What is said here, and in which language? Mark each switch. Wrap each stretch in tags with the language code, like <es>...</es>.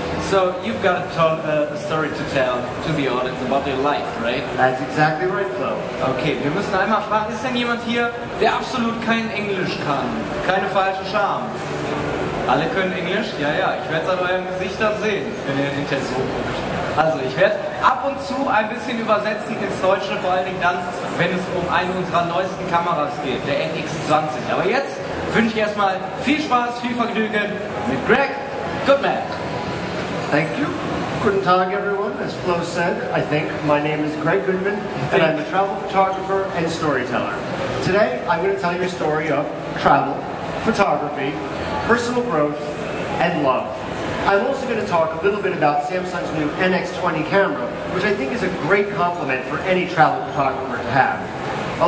<en>So you've got a story to tell to the audience about your life, right? That's exactly right, Flo.</en> <de>Okay, wir müssen einmal fragen, ist denn jemand hier, der absolut kein Englisch kann? Keine falsche Scham. Alle können Englisch? Ja, ja, ich werde es an euren Gesichtern sehen, wenn ihr hinterher so guckt. Also ich werde ab und zu ein bisschen übersetzen ins Deutsche, vor allen Dingen dann, wenn es um eine unserer neuesten Kameras geht, der NX20. Aber jetzt wünsche ich erstmal viel Spaß, viel Vergnügen mit Greg Cutman.</de> <en>Thank you.</en> <de>Guten Tag,</de> <en>everyone. As Flo said, I think my name is Greg Goodman, and I'm a travel photographer and storyteller. Today, I'm going to tell you a story of travel, photography, personal growth, and love. I'm also going to talk a little bit about Samsung's new NX20 camera, which I think is a great compliment for any travel photographer to have.</en>